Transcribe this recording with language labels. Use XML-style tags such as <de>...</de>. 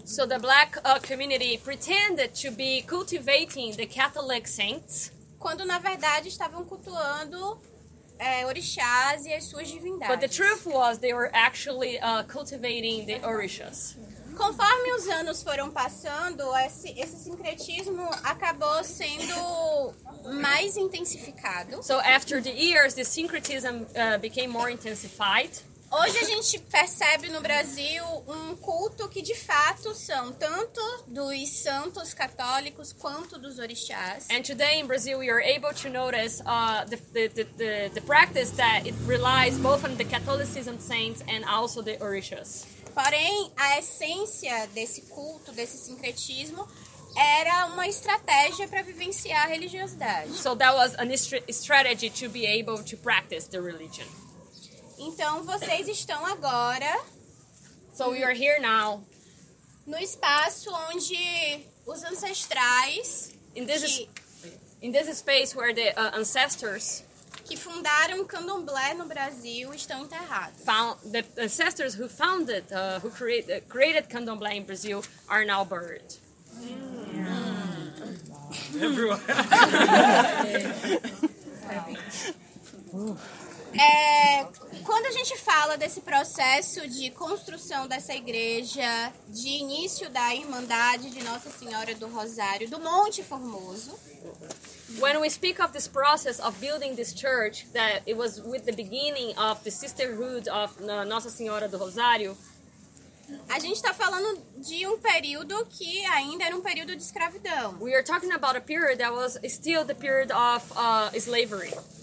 <en>So the black community pretended to be cultivating the Catholic saints.</en> <pt>Quando na verdade estavam cultuando orixás e as suas divindades.</pt> <en>But the truth was they were actually cultivating the orixás.</en> <pt>Conforme os anos foram passando, esse sincretismo acabou sendo mais intensificado.</pt> <en>So after the years, the syncretism became more intensified.</en> <pt>Hoje a gente percebe no Brasil um culto que de fato são tanto dos santos católicos quanto dos orixás.</pt> <en>And today in Brazil we are able to notice the practice that it relies both on the Catholicism saints and also the orixás.</en> <pt>Porém, a essência desse culto, desse sincretismo, era uma estratégia para vivenciar a religiosidade.</pt> <en>So that was a strategy to be able to practice the religion.</en> <pt>Então vocês estão agora.</pt> <en>So you are here now.</en> <pt>No espaço onde os ancestrais.</pt> <en>In this space where the ancestors.</en> <pt>Que fundaram o candomblé no Brasil estão enterrados.</pt> <en>The ancestors who founded, who created candomblé in Brazil are now buried. Everyone.</en> <pt>Quando a gente fala desse processo de construção dessa igreja, de início da Irmandade de Nossa Senhora do Rosário, do Monte Formoso.</pt> <en>When we speak of this process of building this church, that it was with the beginning of the sisterhood of Nossa Senhora do Rosário.</en> <pt>A gente está falando de um período que ainda era um período de escravidão.</pt> <en>We are talking about a period that was still the period of slavery.</en>